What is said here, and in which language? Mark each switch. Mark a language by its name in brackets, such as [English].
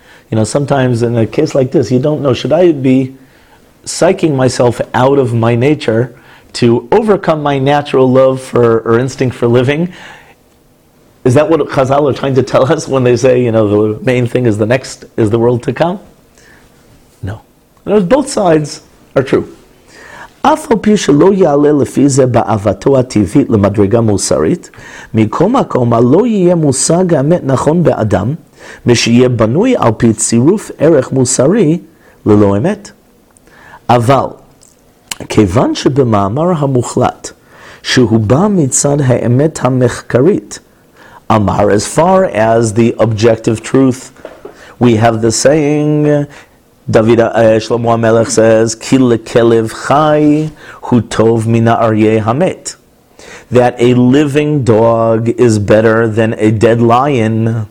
[English] You know, sometimes in a case like this, you don't know, should I be psyching myself out of my nature to overcome my natural love for or instinct for living? Is that what Chazal are trying to tell us when they say, you know, the main thing is the next, is the world to come? No. There's both sides. Are true. [Hebrew] אף על פי שלא יעלה לפי זה באהבתו הטבעית למדרגה מוסרית, מקום מקום לא יהיה מושג האמת נכון באדם, משיהיה בנוי על פי צירוף ערך מוסרי ללא אמת. אבל, כיוון שבמאמר המוחלט, שהוא בא מצד האמת המחקרית, אמר, [English] as far as the objective truth, we have the saying, David Shlomo HaMelech says, [Hebrew] "Ki lekelev chai hu tov mina arye hamet," [English] that a living dog is better than a dead lion.